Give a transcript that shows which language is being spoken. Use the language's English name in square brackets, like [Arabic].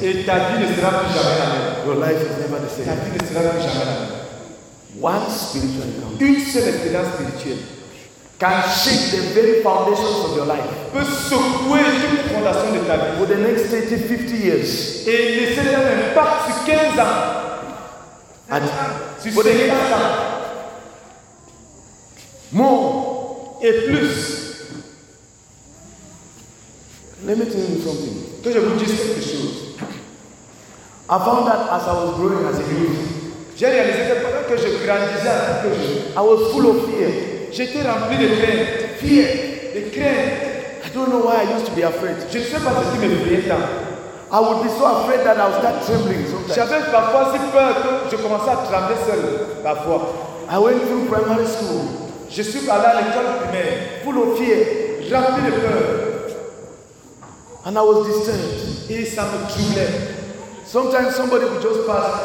[French] Et ta vie ne sera plus jamais la même. [English] Your life is never the same. [French] Ta vie ne sera plus jamais la même. [English] One spiritual encounter, [French] une seule expérience spirituelle, [English] can shake the very foundations of your life. [French] Peut secouer toute fondation de ta vie. [English] For the next 30, 50 years, [French] et laisser un impact sur 15 ans. [English] And for the next more [French] et plus. [English] Let me tell you something. [French] Que je vous dise quelque chose. [English] I found that as I was growing as a youth. [French] J'ai réalisé que pendant que je grandissais, [English] I was full of fear. [French] J'étais rempli de crainte. [English] Fear, [French] de crainte. [English] I don't know why I used to be afraid. [French] Je ne sais pas ce qui me faisait tant. [English] I would be so afraid that I would start trembling. [French] J'avais parfois si peur que je commençais à trembler seul. Parfois. [English] I went through primary school. [French] Je suis allé à l'école primaire. [English] Full of fear. [French] Rempli de peur. [English] And I was disturbed. [French] Et ça me troublait. [English] Sometimes somebody would just pass